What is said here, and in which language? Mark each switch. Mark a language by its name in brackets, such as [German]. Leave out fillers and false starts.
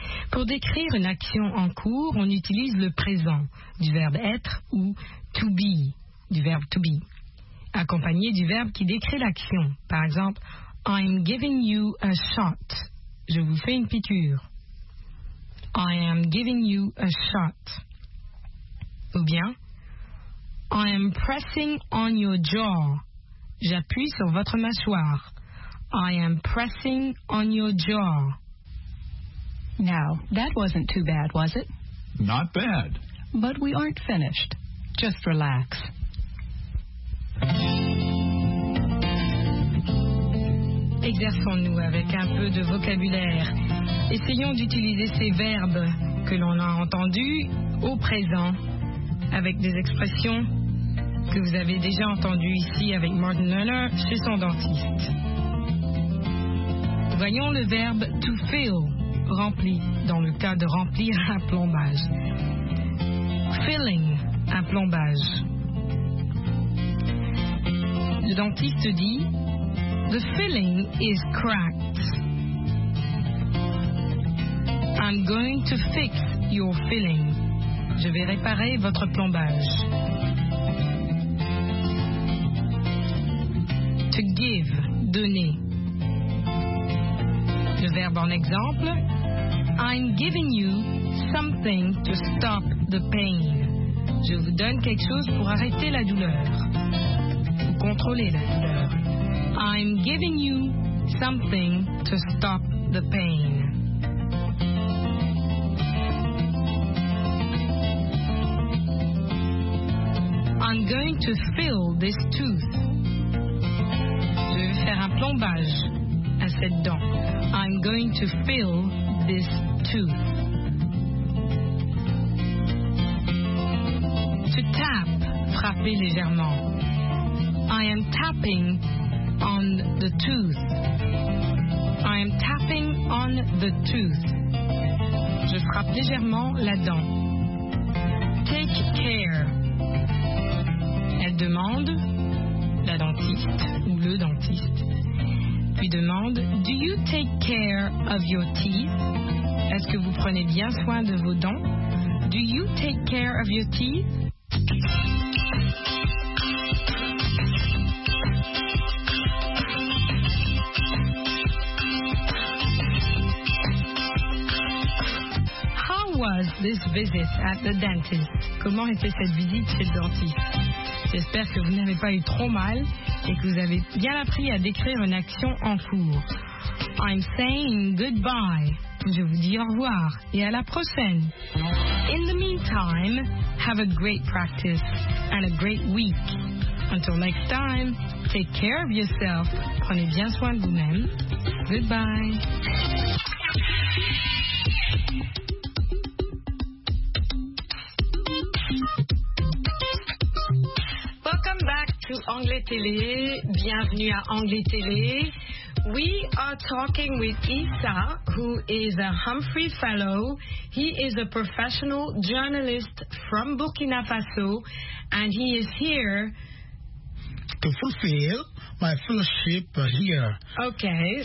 [French] Pour décrire une action en cours, on utilise le présent du verbe être ou to be, du verbe to be, accompagné du verbe qui décrit l'action. Par exemple, [English] I'm giving you a shot. [French] Je vous fais une piqûre. [English] I am giving you a shot. [French] Ou bien, [English] I am pressing on your jaw. [French] J'appuie sur votre mâchoire. [English] I am pressing on your jaw. Now, that wasn't too bad, was it? Not bad. But we aren't finished. Just relax. [French] Exerçons-nous avec un peu de vocabulaire. Essayons d'utiliser ces verbes que l'on a entendus au présent avec des expressions que vous avez déjà entendues ici avec Martin Lerner chez son dentiste. Voyons le verbe to fill, rempli, dans le cas de remplir un plombage. Filling, un plombage. Le dentiste dit, [English] the filling is cracked. I'm going to fix your filling. [French] Je vais réparer votre plombage. [English] To give, donner. [French] Le verbe en exemple, [English] I'm giving you something to stop the pain. [French] Je vous donne quelque chose pour arrêter la douleur. Ou contrôler la douleur. [English] I'm giving you something to stop the pain. I'm going to fill this tooth. [French] Je vais faire un plombage à cette dent. [English] I'm going to fill this tooth. [French] To tap, frapper légèrement. [English] I am tapping on the tooth. I am tapping on the tooth. [French] Je frappe légèrement la dent. [English] Take care. [French] Elle demande, la dentiste ou le dentiste, puis demande, [English] do you take care of your teeth? [French] Est-ce que vous prenez bien soin de vos dents? [English] Do you take care of your teeth? How was this visit at the dentist? [French] Comment était cette visite chez le dentiste? J'espère que vous n'avez pas eu trop mal et que vous avez bien appris à décrire une action en cours. [English] I'm saying goodbye. [French] Je vous dis au revoir et à la prochaine. [English] In the meantime, have a great practice and a great week. Until next time, take care of yourself. Prenez bien soin de vous-même. Goodbye. Welcome back to Anglais Télé. [French] Bienvenue à Anglais Télé. [English] We are talking with Issa, who is a Humphrey Fellow. He is a professional journalist from Burkina Faso, and he is here to fulfill my fellowship here. Okay.